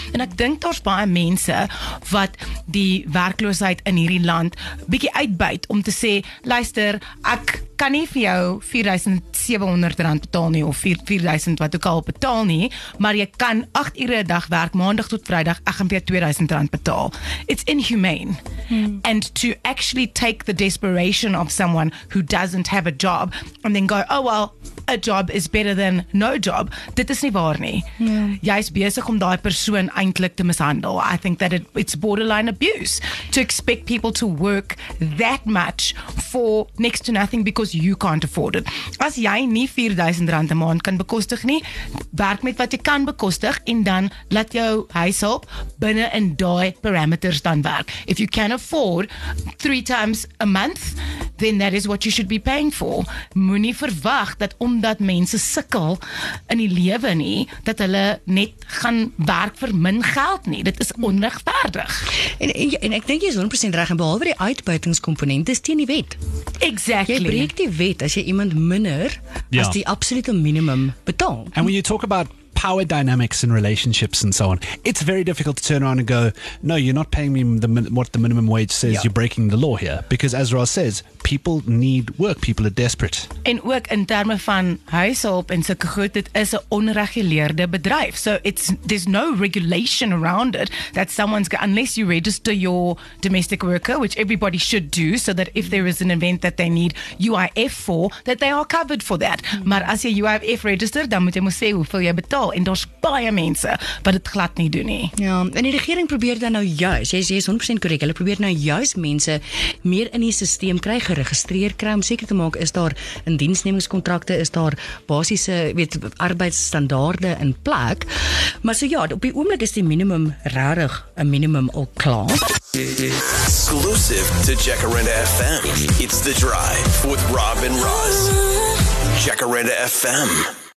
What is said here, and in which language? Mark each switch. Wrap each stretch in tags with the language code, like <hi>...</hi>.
<af>En ek dink daar's baie mense wat die werkloosheid in hierdie land bietjie uitbuit om te sê, luister, ek kan nie vir jou R4,700 betaal nie of R4,000 wat ook al betaal nie, maar jy kan 8 ure 'n dag werk, maandag tot vrydag, ek gaan vir jou R2,000 betaal.</af> <en>It's inhumane. Hmm. And to actually take the desperation of someone who doesn't have a job and then go, oh well, a job is better than no job,</en> <af>dit is nie waar nie.</af> <en>Yeah.</en> <af>Jy is besig om daai persoon eintlik te mishandel.</af> <en>I think that it's borderline abuse to expect people to work that much for next to nothing because you can't afford it.</en> <af>As jy nie R4,000 'n maand kan bekostig nie, werk met wat jy kan bekostig en dan laat jou huishulp binne in daai parameters dan werk.</af> <en>If you can afford 3 times a month, then that is what you should be paying for.</en> <af>Moenie verwag dat omdat mense sukkel in die lewe nie, dat hulle net gaan werk vir min geld nie. Dit is onregverdig. En ek dink jy is 100% reg, en behalwe die uitbuitingskomponent is teen die wet.</af> <en>Exactly.</en> <af>Jy breek die wet as jy iemand minder as die absolute minimum betaal.</af> <en>And when you talk about power dynamics and relationships and so on, it's very difficult to turn around and go, no, you're not paying me what the minimum wage says. Yeah. You're breaking the law here. Because as Ross says, people need work. People are desperate.</en> <af>En ook in terme van huishulp en sulke goed, dit is 'n onreguleerde bedryf.</af> <en>So there's no regulation around it that someone's got, unless you register your domestic worker, which everybody should do, so that if there is an event that they need UIF for, that they are covered for that. Mm-hmm.</en> <af>Maar as jy UIF register, dan moet jy moet sê hoeveel jy betaal. En daar's baie mense wat dit glad nie doen nie. Ja, en die regering probeer dan nou juist, jy is 100% korrek, hulle probeer nou juist mense meer in die systeem kry, geregistreer kry, om seker te maak, is daar in diensnemingskontrakte, is daar basiese, weet, arbeidsstandaarde in plek. Maar so ja, op die oomblik is die minimum rarig, 'n minimum al klaar.</af> <en>Exclusive to Jacaranda FM, it's The Drive with Rob and Roz. Jacaranda FM.</en>